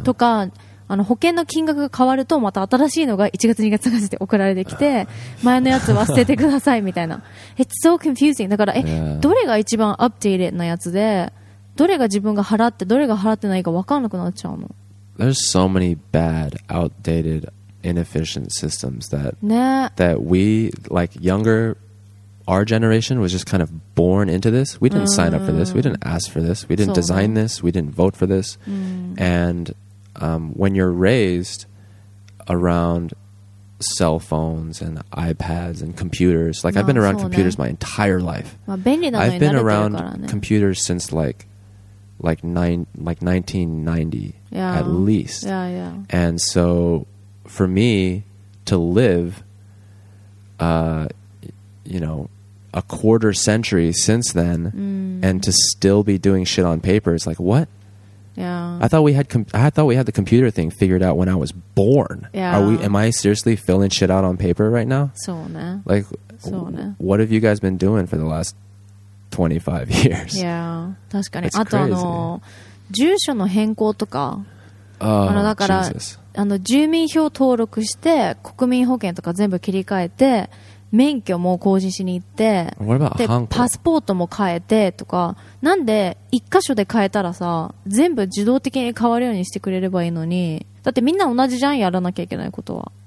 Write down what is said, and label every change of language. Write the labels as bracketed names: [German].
[Japanese] とかあの保険の金額が変わるとまた新しいのが1月2月3月で送られてきて前のやつは捨ててくださいみたいな [English] It's so confusing [Japanese] だから、 [English] yeah. [Japanese] どれが一番アップデートなやつでどれが自分が払ってどれが払ってないか分かんなくなっちゃうの。 [English] There's so many bad outdatedinefficient systems that、 [Japanese] ね、 [English] that we like younger our generation was just kind of born into this. We didn't sign up for this. We didn't ask for this. We didn't design this. We didn't vote for this. And when you're raised around cell phones and iPads and computers, like I've been around computers my entire life. I've been around computers since like 1990 at least. And soFor me to live, you know, a quarter century since then, and to still be doing shit on paper, it's like what? Yeah. I thought we had the computer thing figured out when I was born. Yeah. Am I seriously filling shit out on paper right now? So, ne. Like, what have you guys been doing for the last 25 years. [Japanese] Yeah, 確かに。あと、あの、住所の変更とか、あの、だから、あの、住民票登録して、国民保険とか全部切り替えて、免許も更新しに行って、 [English] What about [Japanese] で、パスポートも変えてとか、なんで、一箇所で変えたらさ、全部自動的に変わるようにしてくれればいいのに、だってみんな同じじゃん、やらなきゃいけないことは。